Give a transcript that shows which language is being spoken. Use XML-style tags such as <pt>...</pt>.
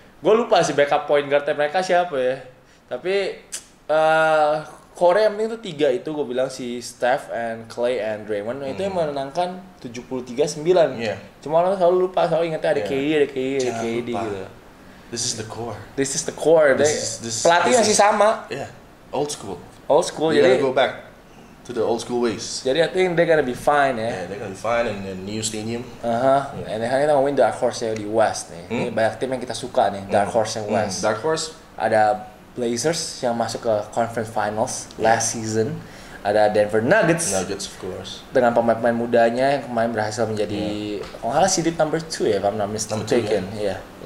<id>Gue lupa sih backup point guard mereka siapa ya. Tapi, core yang penting tuh tiga itu, gue bilang si Steph and Clay and Draymond. Itu yang menenangkan 73-9.</id> <en>Yeah.</en> <id>Cuma orang selalu lupa, selalu ingatnya ada yeah. KD, ada KD, ada KD lupa. Gitu.</id> <en>This is the core. This is the core.</en> <id>This pelatihnya masih sama.</id> <en>Yeah, old school. Old school. You gotta go back to the old school ways. Jadi, I think they're gonna be fine. Yeah, they're gonna be fine in the new stadium. And then</en> <id>kita mau win dark horse di West nih. Hmm? Ini banyak tim yang kita suka nih. Dark horse yang West.</id> <en>Dark horse.</en> <id>Ada Blazers yang masuk ke conference finals last season. Ada Denver Nuggets.</id> <en>Nuggets of course.</en> <id>Dengan pemain-pemain mudanya yang kemarin berhasil menjadi oh, seeded number 2 ya,</id> <en>if I'm not mistaken.</en> <id>Yeah.</id>